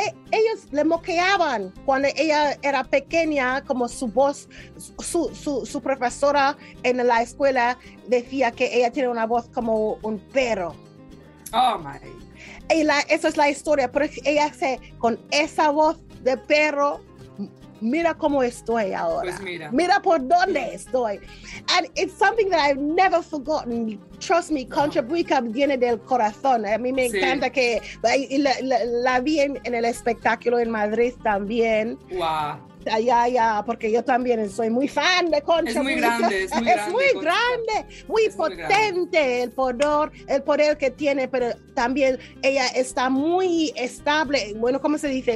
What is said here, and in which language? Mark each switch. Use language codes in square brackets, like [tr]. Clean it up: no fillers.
[es] ellos le moqueaban cuando ella era pequeña, como su voz, su profesora en la escuela decía que ella tiene una voz como un perro. [en] Oh, my. [es] Y esa es la historia, pero ella con esa voz de perro mira cómo estoy ahora. Pues mira. Mira por dónde estoy. [en] And it's something that I've never forgotten. Trust me, [es] Contra Buica viene del corazón. A mí me encanta que la vi en el espectáculo en Madrid también. [en] Wow. [es] Ya, porque yo también soy muy fan de Concha. Es muy grande, Muy potente el poder que tiene, pero también ella está muy estable, bueno, ¿cómo se dice?